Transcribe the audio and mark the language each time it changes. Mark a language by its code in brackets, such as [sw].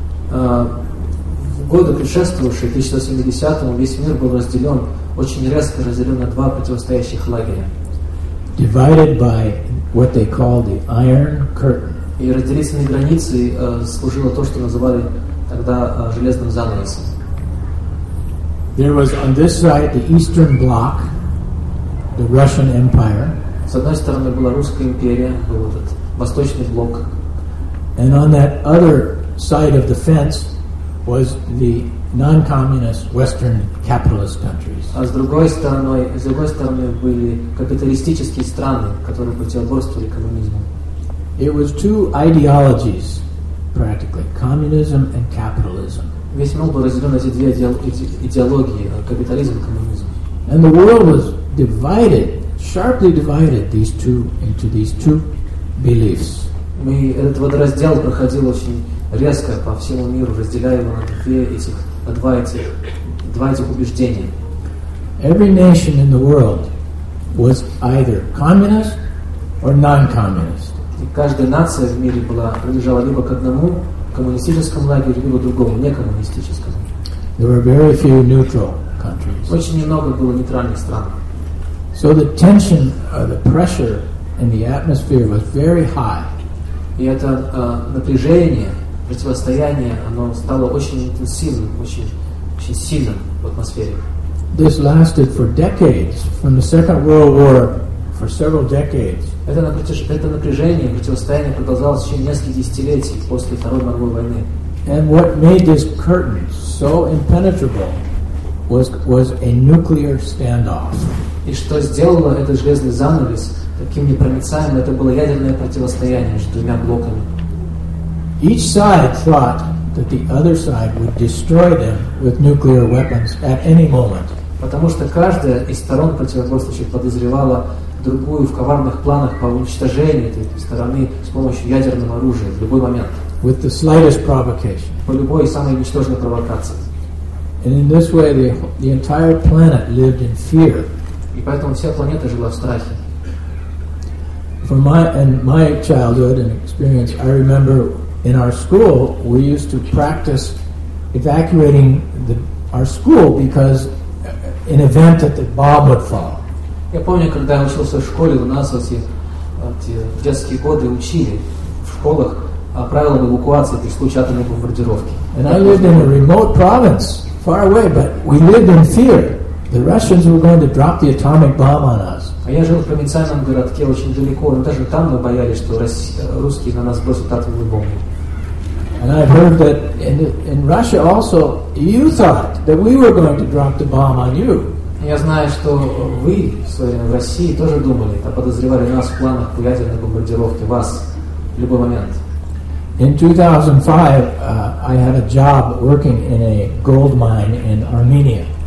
[ru] В годы, предшествовавшие 1970-му, весь мир был разделен, очень резко разделен на 2 противостоящих лагеря. [en] Divided by what they call the Iron Curtain. [ru] И разделительной границей служило то, что называли тогда железным занавесом. [en] There was on this side the Eastern Bloc, the Russian Empire. [ru] С одной стороны была Русская империя, был этот Восточный блок. [en] And on that other side of the fence was the non-communist Western capitalist countries. [ru] А с другой стороны, были капиталистические страны, которые противоборствовали коммунизму. [en] It was two ideologies, practically, communism and capitalism. [ru] Весь мир был разделен на эти две идеологии, капитализм и коммунизм. [en] And the world was divided, sharply divided these two into these two beliefs. [ru] Мы этот водораздел проходил очень резко по всему миру, разделяя его на два этих убеждения. [en] Every nation in the world was either communist or non-communist. [ru] И каждая нация в мире была принадлежала либо к одному коммунистическому лагерю, либо другому некоммунистическому. [en] There were very few neutral countries. [ru] Очень немного было нейтральных стран. [en] So the tension, the pressure in the atmosphere was very high. [ru] И это напряжение, противостояние, оно стало очень интенсивным, очень сильным в атмосфере. [en] This lasted for decades, from the Second World War, for several decades. [ru] Это напряжение, противостояние продолжалось еще несколько десятилетий после Второй мировой войны. [en] And what made this curtain so impenetrable was a nuclear standoff. [ru] И что сделало этот железный занавес таким непроницаемым, это было ядерное противостояние между двумя блоками. [en] Each side thought that the other side would destroy them with nuclear weapons at any moment. [ru] Потому что каждая из сторон противоборствующих подозревала другую в коварных планах по уничтожению этой стороны с помощью ядерного оружия в любой момент. [en] With the slightest provocation. [ru] По любой самой ничтожной провокации. [en] And in this way the entire planet lived in fear. [ru] И поэтому вся планета жила в страхе. [en] From my childhood and experience, I remember in our school we used to practice evacuating our school because in event that the bomb would fall. [ru] Я помню, когда я учился в школе, у нас эти детские годы учили в школах правила эвакуации при случае атомной бомбардировки. [en] And I lived in a remote province, far away, but we lived in fear. The Russians were going to drop the atomic bomb on us. [ru] А я жил в провинциальном городке очень далеко, но даже там мы боялись, что русские на нас бросят атомную бомбу. [en] And I heard that in Russia also you thought that we were going to drop the bomb on you. [ru] Я знаю, что вы в России тоже думали, а подозревали нас в планах ядерной бомбардировки вас в любой момент. [en] In 2005, I had a job working in a gold mine in Armenia.